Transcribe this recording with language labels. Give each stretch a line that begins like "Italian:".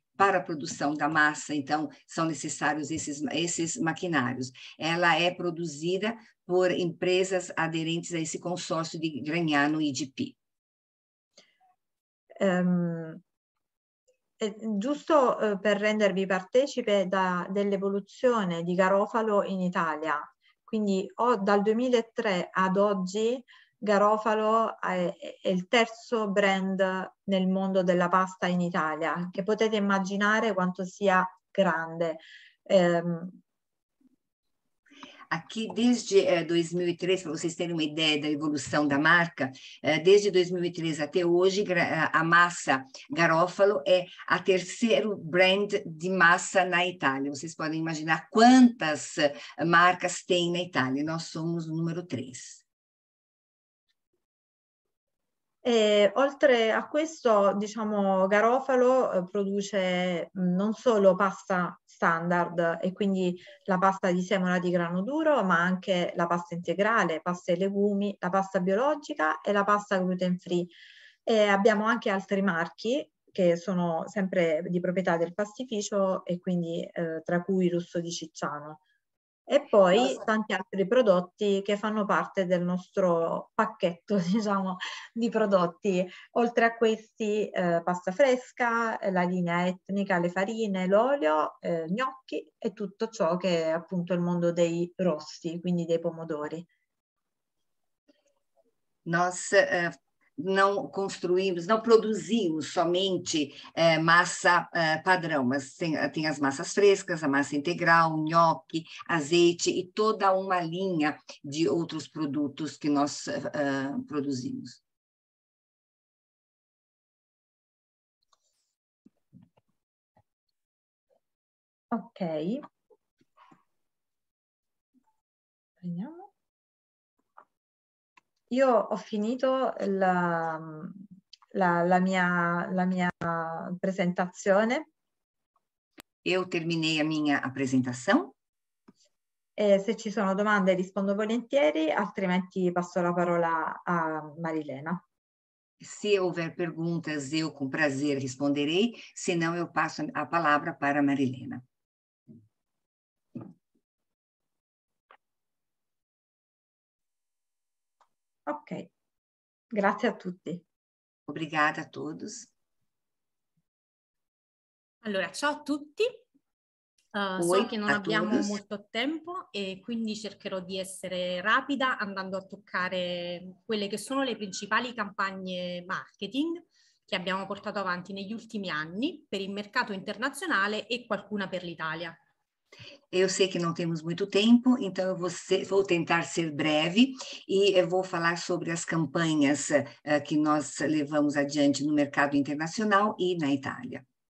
Portuguese: Para a produção da massa, então, são necessários esses maquinários. Ela é produzida por empresas aderentes a esse consórcio de Gragnano IGP.
Italian: Giusto per rendervi partecipe dell'evoluzione di Garofalo in Italia. Quindi dal 2003 ad oggi Garofalo è il terzo brand nel mondo della pasta in Italia, che potete immaginare quanto sia grande.
Portuguese: Aqui desde 2003, para vocês terem uma ideia da evolução da marca, desde 2003 até hoje, a massa Garofalo é a terceiro brand de massa na Itália. Vocês podem imaginar quantas marcas tem na Itália. Nós somos o número 3.
Italian: Oltre a questo, diciamo, Garofalo produce non solo pasta standard e quindi la pasta di semola di grano duro, ma anche la pasta integrale, pasta e legumi, la pasta biologica e la pasta gluten free. E abbiamo anche altri marchi che sono sempre di proprietà del pastificio e quindi tra cui Russo di Cicciano. E poi tanti altri prodotti che fanno parte del nostro pacchetto, diciamo, di prodotti. Oltre a questi, pasta fresca, la linea etnica, le farine, l'olio, gnocchi e tutto ciò che è appunto il mondo dei rossi, quindi dei pomodori.
Portuguese: Nós não construímos, não produzimos somente massa padrão, mas tem as massas frescas, a massa integral, o nhoque, azeite e toda uma linha de outros produtos que nós produzimos. Ok.
Italian: Prendiamo. Io ho finito la mia presentazione.
Portuguese: Eu terminei a minha apresentação.
Italian: E se ci sono domande rispondo volentieri, altrimenti passo la parola a Marilena.
Portuguese: Se houver perguntas, eu com prazer responderei, se não eu passo a palavra para Marilena.
Italian: Ok, grazie a tutti.
Portuguese: Obrigada a todos.
Italian: Allora, ciao a tutti. So che non abbiamo todos. Molto tempo e quindi cercherò di essere rapida andando a toccare quelle che sono le principali campagne marketing che abbiamo portato avanti negli ultimi anni per il mercato internazionale e qualcuna per l'Italia.
Portuguese: Eu sei que não temos muito tempo, então eu vou tentar ser breve e eu vou falar sobre as campanhas que nós levamos adiante no mercado internacional e na Itália.